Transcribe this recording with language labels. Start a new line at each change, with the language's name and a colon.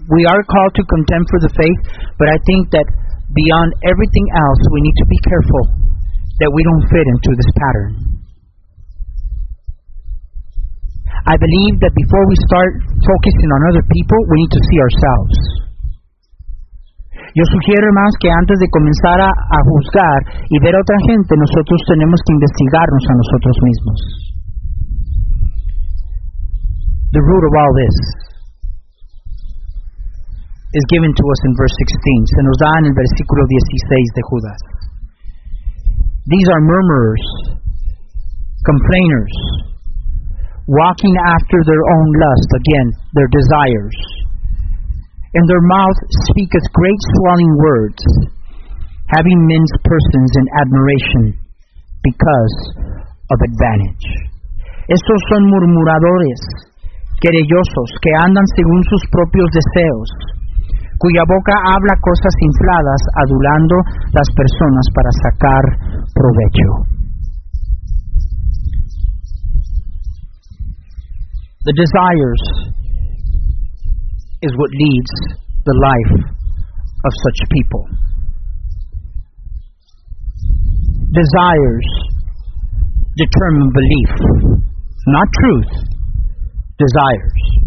English: We are called to contend for the faith, but I think that beyond everything else, we need to be careful that we don't fit into this pattern. I believe that before we start focusing on other people, we need to see ourselves.
Spanish: Yo sugiero, hermanos, que antes de comenzar a juzgar y ver a otra gente, nosotros tenemos que investigarnos a nosotros mismos.
English: The root of all this is given to us in verse 16.
Spanish: Se nos da en el versículo 16 de Judas.
English: These are murmurers, complainers, walking after their own lust, again, their desires. And their mouth speaketh great swelling words, having men's persons in admiration because of advantage.
Spanish: Estos son murmuradores, querellosos, que andan según sus propios deseos, cuya boca habla cosas infladas, adulando las personas para sacar provecho.
English: The desires is what leads the life of such people. Desires determine belief, not truth. Desires.